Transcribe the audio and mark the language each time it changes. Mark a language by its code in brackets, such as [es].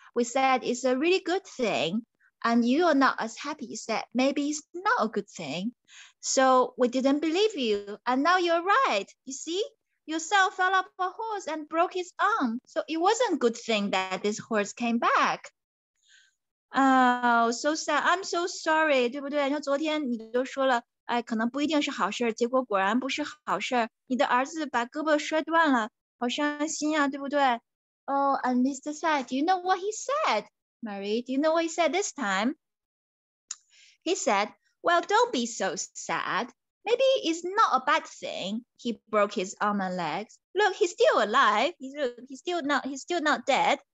[en] We said it's a really good thing, and you are not as happy. You said maybe it's not a good thing. So we didn't believe you, and now you're right. You see, your son fell off a horse and broke his arm. So it wasn't a good thing that this horse came back. Oh, so sad. I'm so sorry, [zh] 对不对？像昨天你都说了，哎，可能不一定是好事，结果果然不是好事。你的儿子把胳膊摔断了。好伤心啊，对不对? [en] Oh, and Mr. Sai, do you know what he said, Mary? Do you know what he said this time? He said, well, don't be so sad. Maybe it's not a bad thing. He broke his arm and legs. Look, he's still alive. He's still not dead.